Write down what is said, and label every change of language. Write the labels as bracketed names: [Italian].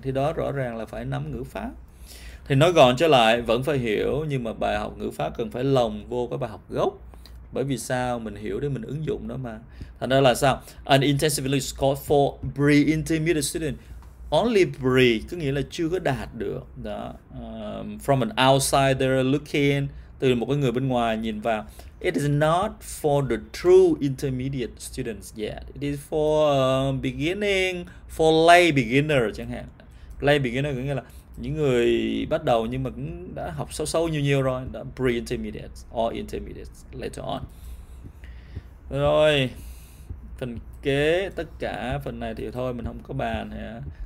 [Vietnamese] Thì đó rõ ràng là phải nắm ngữ pháp. Thì nói gọn trở lại, vẫn phải hiểu, nhưng mà bài học ngữ pháp cần phải lồng vô cái bài học gốc. Bởi vì sao? Mình hiểu để mình ứng dụng đó mà. Thành ra là sao? [English] An intensive course for pre-intermediate student. Only pre, [Vietnamese] có nghĩa là chưa có đạt được. Đó. [English] From an outsider looking, [Vietnamese] từ một cái người bên ngoài nhìn vào. [English] It is not for the true intermediate students yet. It is for beginning, for lay beginner [Vietnamese] chẳng hạn. Lay beginner có nghĩa là những người bắt đầu nhưng mà cũng đã học sâu sâu nhiều nhiều rồi, đã [English] pre-intermediate or intermediate later on. [Vietnamese] Rồi, phần kế tất cả phần này thì thôi mình không có bàn hả?